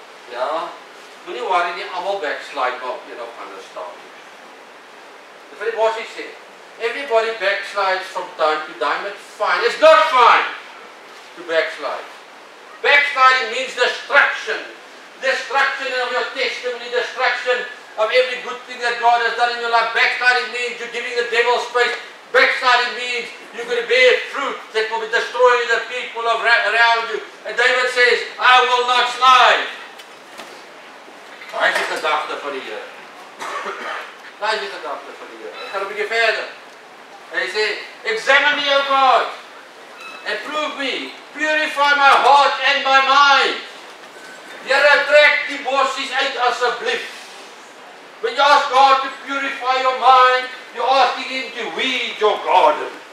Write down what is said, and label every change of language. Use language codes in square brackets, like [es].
[af] Ja, moenie worry nie, almal backslide op een of ander stadium. Dis wat die bosie sê. [en] Everybody backslides from time to time, it's fine. It's not fine to backslide. Backsliding means destruction. Destruction of your testimony, destruction of every good thing that God has done in your life. Backsliding means you're giving the devil space. Backsliding means you're going to bear fruit that will be destroying the people around you. And David says, I will not slide. [af] Daar is die gedagte van die Here. Daar is die gedagte van die Here. Ek gaan 'n bietjie verder. Hy sê, [en] examine me, O God, and prove me. Purify my heart and my mind. [af] Here, trek die bossies uit asseblief. [en] When you ask God to purify your mind, you're asking Him to weed your garden.